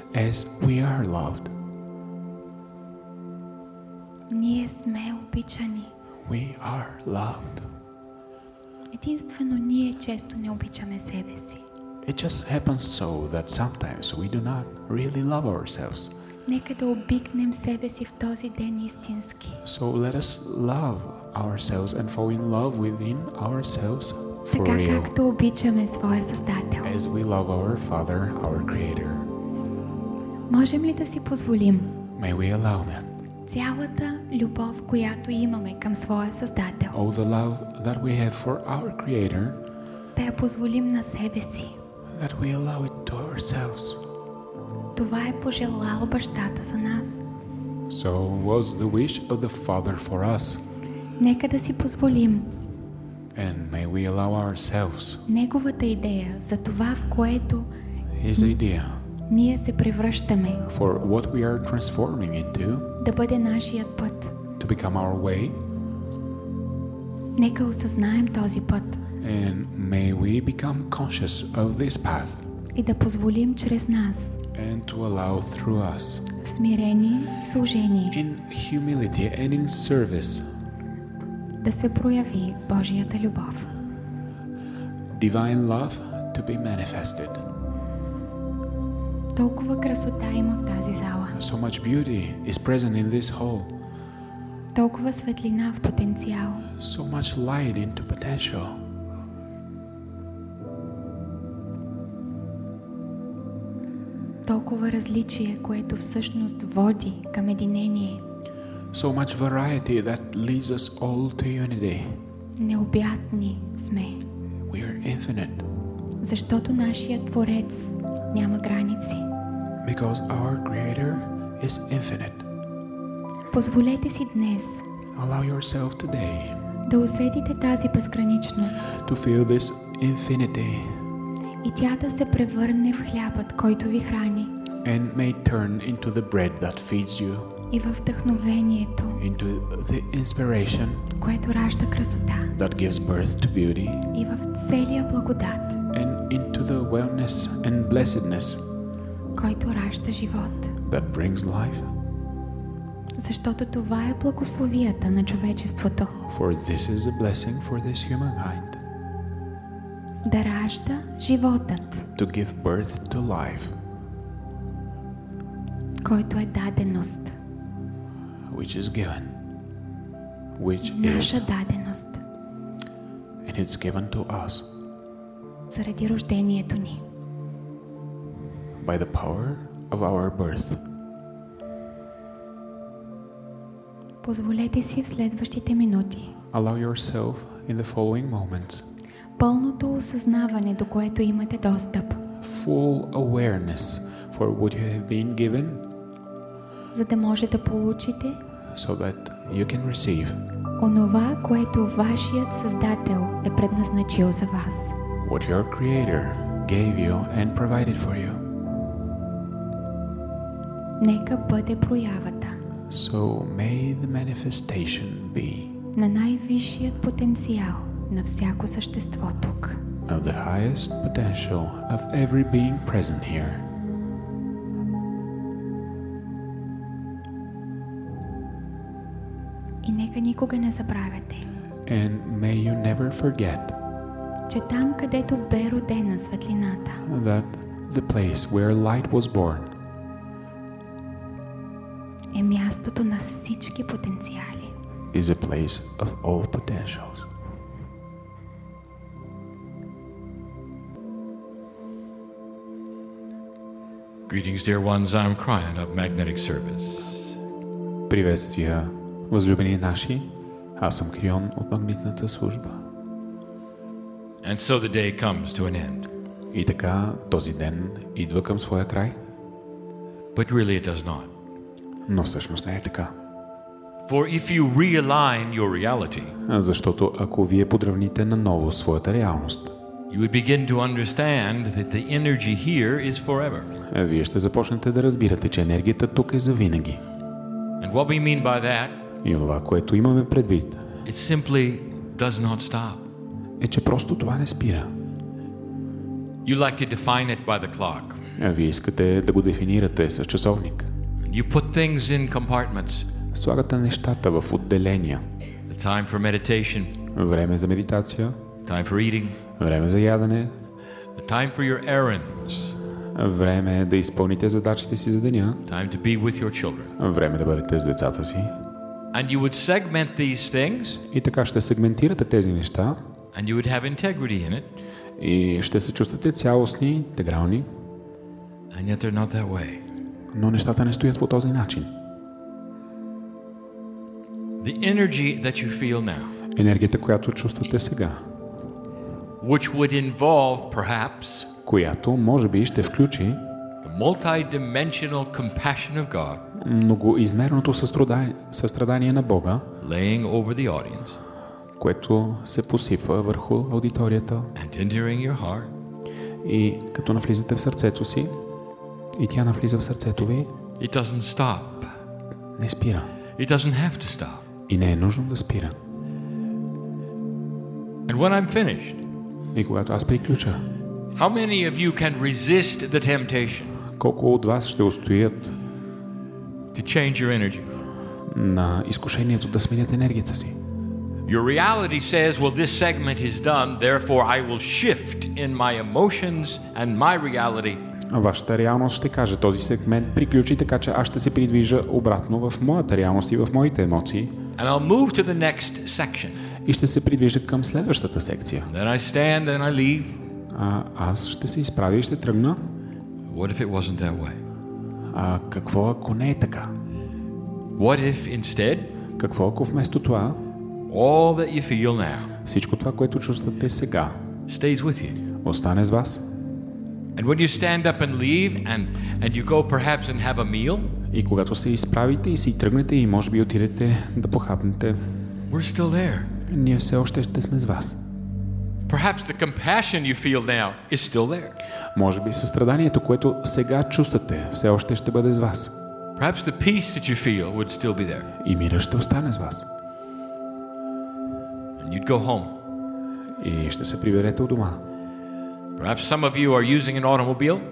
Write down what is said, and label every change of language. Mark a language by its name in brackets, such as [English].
[English] As we are loved. [Bulgarian] Ние сме обичани. [English] We are loved. [Bulgarian] Единствено ние често не обичаме себе си. [English] It just happens so that sometimes we do not really love ourselves. [Bulgarian] Нека да обикнем себе си в този ден истински. [English] So let us love ourselves and fall in love within ourselves. [Bulgarian] Така както обичаме своя Създател. [English] As we love our Father, our Creator. [Bulgarian] Можем ли да си позволим? [English] May we allow that. [Bulgarian] Цялата любов, която имаме към своя Създател. [English] All the love that we have for our Creator. [Bulgarian] Да я позволим на себе си. [English] That we allow it to ourselves. [Bulgarian] Това е пожелал Бащата за нас. [English] So was the wish of the Father for us. [Bulgarian] Нека да си позволим. [English] And may we allow ourselves. [Bulgarian] Неговата идея за това, в което [English] His idea. [Bulgarian] Ние се превръщаме. [English] For what we are transforming into. [Bulgarian] Да бъде нашият път. [English] To become our way. [Bulgarian] Нека осъзнаем този път. [English] And may we become conscious of this path. [Bulgarian] И да позволим чрез нас. [English] And to allow through us. [Bulgarian] В смирение, служение. [English] In humility and in service. [Bulgarian] Да се прояви Божията любов. [English] Divine love to be manifested. [Bulgarian] Толкова красота има в тази зала. [English] So much beauty is present in this hall. [Bulgarian] Толкова светлина в потенциал. [English] So much light into potential. [Bulgarian] Толкова различие, което всъщност води към единение. [English] So much variety that leads us all to unity. [Bulgarian] Необятни сме. [English] We are infinite. [Bulgarian] Защото нашият Творец няма граници. [English] Because our Creator is infinite. [Bulgarian] Позволете си днес. [English] Allow yourself today. [Bulgarian] да усетите тази безграничност. [English] To feel this infinity. [Bulgarian] И тя да се превърне в хлябът, който ви храни. [English] And may turn into the bread that feeds you. [Bulgarian] И във вдъхновението. [English] Into the inspiration. [Bulgarian] Което ражда красота. [English] That gives birth to beauty. [Bulgarian] И в целия благодат. [English] And into the wellness and blessedness. [Bulgarian] Който ражда живот. [English] That brings life. [Bulgarian] Защото това е благословията на човечеството. [English] For this is a blessing for this humankind. [Bulgarian] Да ражда животът. [English] To give birth to life. [Bulgarian] Който е даденост. [English] Which is given. Which [Bulgarian] наша [English] is [Bulgarian] даденост. [English] And it's given to us. [Bulgarian] Заради рождението ни. [English] By the power of our birth. [Bulgarian] Позволете си в следващите минути. [English] Allow yourself in the following moments. [Bulgarian] Пълното осъзнаване, до което имате достъп. [English] Full awareness for what you have been given. [Bulgarian] За да може да получите. [English] So that you can receive. [Bulgarian] Онова, което вашият Създател е предназначил за вас. [English] What your Creator gave you and provided for you. [Bulgarian] Нека бъде проявата. [English] So may the manifestation be. [Bulgarian] На най-висшият потенциал на всяко същество тук. [English] Of the highest potential of every being present here. [Bulgarian] И нека никога не забравяте. [English] And may you never forget. [Bulgarian] Че там, където бе родена светлината. [English] That the place where light was born. [Bulgarian] Е мястото на всички потенциали. [English] Is a place of all potentials. Greetings, dear ones. I'm Kryon of Magnetic Service. [Bulgarian] Приветствия, възлюбени наши. Аз съм Крион от магнитната служба. [English] And so the day comes to an end. [Bulgarian] И така този ден идва към своя край. [English] But really it does not. [Bulgarian] Но всъщност не е така. [English] For if you realign your reality, [Bulgarian] защото ако вие подравните наново своята реалност, [English] you would begin to understand that the energy here is forever. [Bulgarian] Вие ще започнете да разбирате, че енергията тук е завинаги. [English] And what we mean by that, [Bulgarian] и това, което имаме предвид, [English] it simply does not stop. [Bulgarian] Е, че просто това не спира. [English] You like to define it by the clock. [Bulgarian] Вие искате да го дефинирате с часовник. [English] You put things in compartments. [Bulgarian] Слагате нещата в отделения. [English] The time for meditation. [Bulgarian] Време за медитация. [English] Time for eating. [Bulgarian] Време за ядене. [English] The time for your errands. [Bulgarian] Време да изпълните задачите си за деня. [English] Time to be with your children. [Bulgarian] Време да бъдете с децата си. [English] And you would segment these things. [Bulgarian] И така ще сегментирате тези неща. [English] And you would have integrity in it. [Bulgarian] И ще се чувствате цялостни, интегрални. [English] And yet they're not that way. [Bulgarian] Но нещата не стоят по този начин. [English] The energy that you feel now. [Bulgarian] Енергията, която чувствате сега. [English] Which would involve perhaps. [Bulgarian] Която може би ще включи. [English] The multidimensional compassion of God. [Bulgarian] Многоизмерното състрадание на Бога. [English] Laying over the audience. [Bulgarian] Което се посипва върху аудиторията. [English] And entering your heart. [Bulgarian] И като навлизате в сърцето си. И тя навлиза в сърцето ви. [English] It doesn't stop. [Bulgarian] Не спира. [English] It doesn't have to stop. [Bulgarian] И не е нужно да спира. [English] And when I'm finished. [Bulgarian] И когато аз приключа. [English] How many of you can resist the temptation? [Bulgarian] Колко от вас ще устоят? [English] To change your energy. [Bulgarian] На изкушението да сменят енергията си. [English] Your reality says, well, this segment is done, therefore I will shift in my emotions and my reality. [Bulgarian] Вашата реалност ще каже, този сегмент приключи, така че аз ще се придвижа обратно в моята реалност и в моите емоции. [English] And I'll move to the next section. [Bulgarian] И ще се придвижа към следващата секция. [English] Then I stand and I leave. [Bulgarian] А аз ще се изправя и ще тръгна. [English] What if it wasn't that way? [Bulgarian] А какво ако не е така? [English] What if instead? [Bulgarian] Какво ако вместо това? [English] All that you feel now. [Bulgarian] Всичко това, което чувствате сега. [English] Stays with you. [Bulgarian] Остане с вас. [English] And when you stand up and leave and you go perhaps and have a meal? [Bulgarian] И когато се изправите и си тръгнете и може би отидете да похапнете. [English] We're still there. [Bulgarian] ние все още ще сме с вас. [English] Perhaps the compassion you feel now is still there. [Bulgarian] Може би състраданието, което сега чувствате, все още ще бъде с вас. [English] Perhaps the peace that you feel would still be there. [Bulgarian] И мирът ще остане с вас. [English] And you'd go home. [Bulgarian] И ще се приберете у дома. [English] Perhaps some of you are using an automobile.